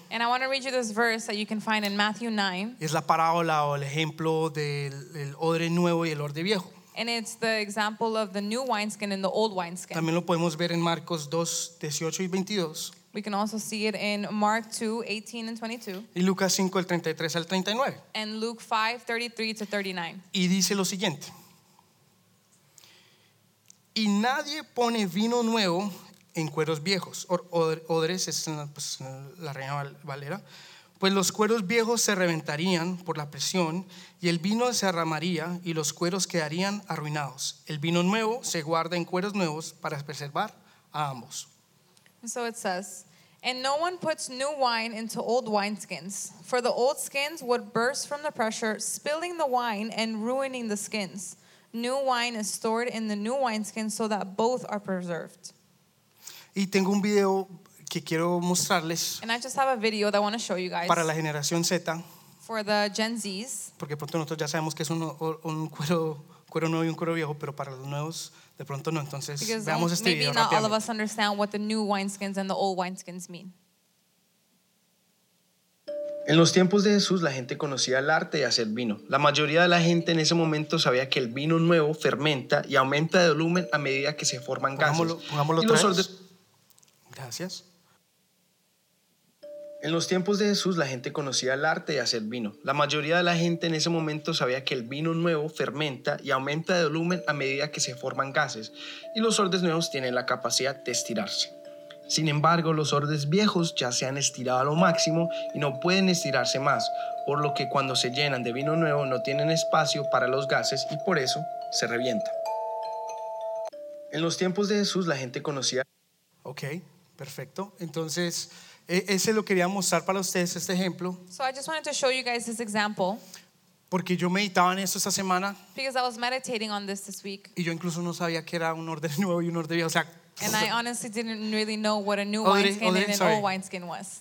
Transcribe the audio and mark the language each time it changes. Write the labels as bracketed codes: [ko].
[en] And I want to read you this verse that you can find in Matthew 9. [es] Es la parábola o el ejemplo del odre nuevo y el odre viejo. [en] And it's the example of the new wineskin and the old wineskin. [es] También lo podemos ver en Marcos 2, 18 y 22. [en] We can also see it in Mark 2, 18 and 22. [es] Y Lucas 5, el 33 al 39. [en] And Luke 5, 33 to 39. [es] Y dice lo siguiente. Y nadie pone vino nuevo en cueros viejos. Odres es en la Reina Valera. Pues los cueros viejos se reventarían por la presión y el vino se derramaría y los cueros quedarían arruinados. El vino nuevo se guarda en cueros nuevos para preservar a ambos. [en] So it says, and no one puts new wine into old wineskins, for the old skins would burst from the pressure, spilling the wine and ruining the skins. New wine is stored in the new wineskins so that both are preserved. [es] Y tengo un video que quiero mostrarles. [en] And I just have a video that I want to show you guys. [es] Para la generación Z. [en] For the Gen Zs. [es] Porque pronto nosotros ya sabemos que es un cuero nuevo y un cuero viejo, pero para los nuevos de pronto no. Entonces veamos este video. [en] Maybe not all of us understand what the new wineskins and the old wineskins mean. [es] En los tiempos de Jesús, la gente conocía el arte de hacer vino. La mayoría de la gente en ese momento sabía que el vino nuevo fermenta y aumenta de volumen a medida que se forman gases. Pongámoslo otra vez. Gracias. En los tiempos de Jesús, la gente conocía el arte de hacer vino. La mayoría de la gente en ese momento sabía que el vino nuevo fermenta y aumenta de volumen a medida que se forman gases, y los odres nuevos tienen la capacidad de estirarse. Sin embargo, los odres viejos ya se han estirado a lo máximo y no pueden estirarse más, por lo que cuando se llenan de vino nuevo no tienen espacio para los gases y por eso se revienta. En los tiempos de Jesús, la gente conocía... Ok, perfecto. Entonces... Ese lo quería mostrar para ustedes, este ejemplo. [en] So I just wanted to show you guys this example. [es] Porque yo meditaba en eso esta semana. [en] Because I was meditating on this week. [es] Y yo incluso no sabía que era un odre nuevo y un odre viejo. O sea, [en] and I honestly didn't really know what a new wineskin and an old wineskin was.